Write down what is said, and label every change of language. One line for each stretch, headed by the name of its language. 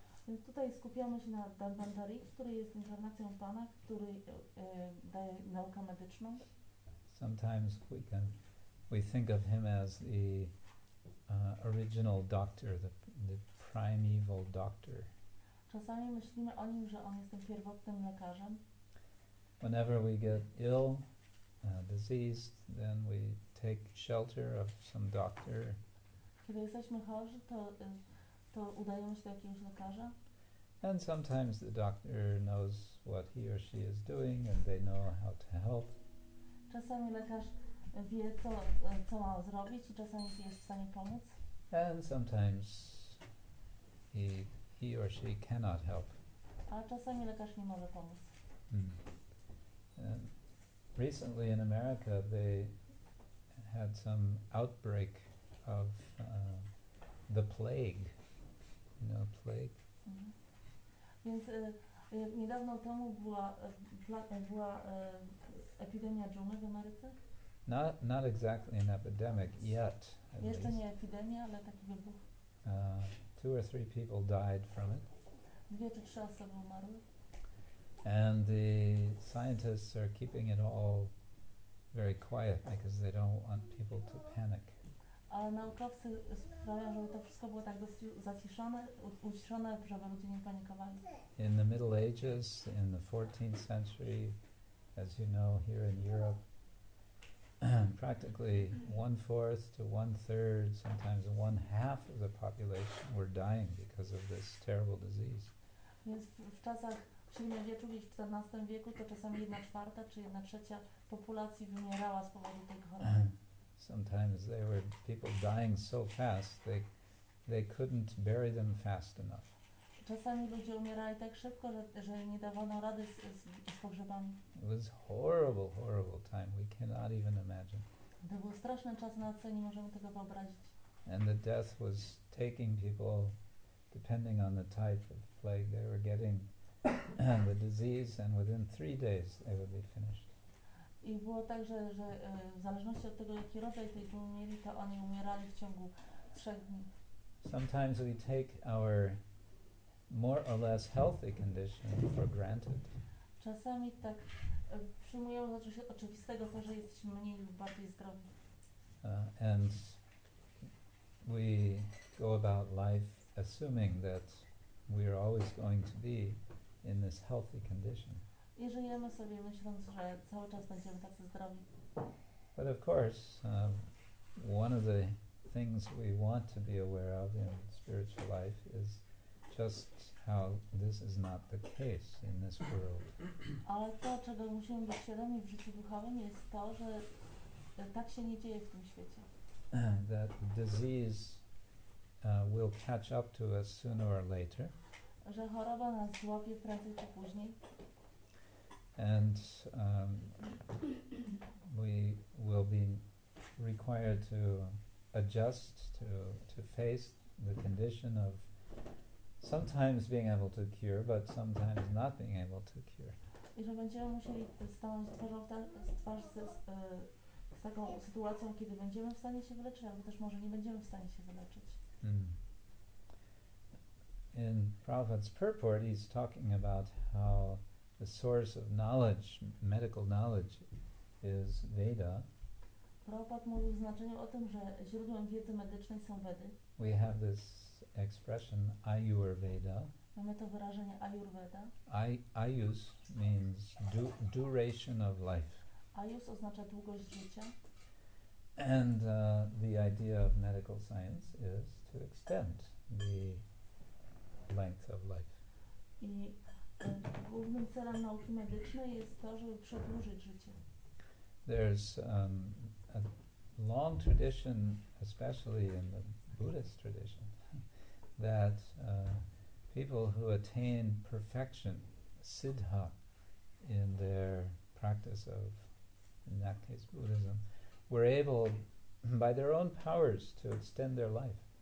Polish: Więc tutaj skupiamy się na Dhanvantari, który jest inkarnacją Pana, który daje naukę medyczną.
English: Sometimes we think of him as the original doctor, the primeval doctor.
Polish: Czasami myślimy o nim, że on jest tym pierwotnym lekarzem.
English: Whenever we get ill, diseased, then we take shelter of some doctor.
Polish: Kiedy jesteśmy chorzy, to udajemy się do jakiegoś lekarza.
English: And sometimes the doctor knows what he or she is doing and they know how to help.
Polish: Czasami lekarz wie, co ma zrobić i czasami jest w stanie pomóc.
English: And sometimes he or she cannot help.
Polish: A czasami lekarz nie może pomóc.
English: Recently in America they had some outbreak of the plague. You know, plague?
Polish: Więc Niedawno temu była epidemia dżumy w Ameryce.
English: Not exactly an epidemic yet.
Polish: Jeszcze nie epidemia, ale taki wybuch.
English: Two or three people died from it.
Polish: Dwie czy trzy osoby umarły.
English: And the scientists are keeping it all very quiet because they don't want people to panic.
Polish: A naukowcy sprawia, żeby to wszystko było tak dosyć zaciszone, uciszone, żeby ludzie nie panikowali.
English: In the Middle Ages, in the 14th century, as you know, here in Europe, practically one-fourth to one-third, sometimes one-half of the population were dying because of this terrible disease.
Polish: Więc w czasach w średniowieczu, w XIV wieku, to czasami 1/4 czy 1/3 populacji wymierała z powodu tej choroby.
English: Sometimes there were people dying so fast they couldn't bury them fast enough.
Polish: Czasami ludzie umierali tak szybko, że nie dawano rady z pogrzebami.
English: It was horrible, horrible time. We cannot even imagine.
Polish: To był straszny czas, na co nie możemy tego wyobrazić.
English: And the death was taking people, depending on the type of plague they were getting, the disease, and within 3 days they would be finished.
Polish: I było tak, że w zależności od tego, jaki rodzaj tej dżumy mieli, to oni umierali w ciągu 3 dni.
English: Sometimes we take our more or less healthy condition for granted.
Polish: Czasami tak przyjmujemy za coś oczywistego, to, że jesteśmy mniej lub bardziej zdrowi.
English: And we go about life assuming that we are always going to be in this healthy condition.
Polish: I żyjemy sobie myśląc, że cały czas będziemy tacy zdrowi.
English: But of course, one of the things we want to be aware of in spiritual life is just how this is not the case in this world.
Polish: Ale to, czego musimy być świadomi w życiu duchowym, jest to, że tak się nie dzieje w tym świecie.
English: That disease will catch up to us sooner or later.
Polish: Że choroba nas złapie prędzej czy później.
English: And we will be required to adjust to face the condition of sometimes being able to cure, but sometimes not being able to cure.
Polish: I że będziemy musieli stanąć twarz z taką sytuacją, kiedy będziemy w stanie się wyleczyć, albo też może nie będziemy w stanie się wyleczyć. Mm.
English: In Prabhupada's purport, he's talking about how the source of knowledge, medical knowledge, is Veda.
Polish: Prabhupada mówił w znaczeniu o tym, że źródłem wiedzy medycznej są Wedy.
English: We have this expression Ayurveda.
Polish: Mamy to wyrażenie Ayurveda.
English: Ayus means duration of life.
Polish: Ayus oznacza długość życia.
English: And the idea of medical science is to extend the length of life.
Polish: I głównym celem nauki medycznej jest to, żeby przedłużyć życie.
English: There's a long tradition, especially in the Buddhist tradition, that people who attain perfection, siddha, in their practice of, in that case, Buddhism, were able, by their own powers, to extend their life.